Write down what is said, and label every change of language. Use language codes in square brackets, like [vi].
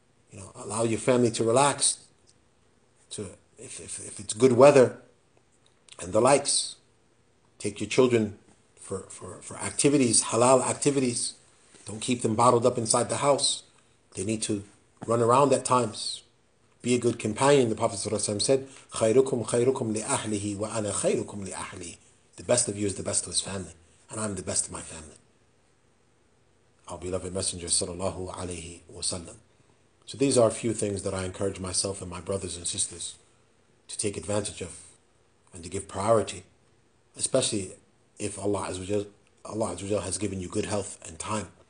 [en] You know, allow your family to relax. If it's good weather and the likes, take your children for activities, halal activities. Don't keep them bottled up inside the house. They need to run around at times. Be a good companion. The Prophet ﷺ said, [ar] خَيْرُكُمْ خَيْرُكُمْ لِأَهْلِهِ وَأَنَا خَيْرُكُمْ لِأَهْلِهِ. [en] The best of you is the best of his family, and I'm the best of my family. Our beloved Messenger sallallahu alayhi wasallam. So these are a few things that I encourage myself and my brothers and sisters to take advantage of and to give priority, especially if Allah Azza wa Jalla has given you good health and time.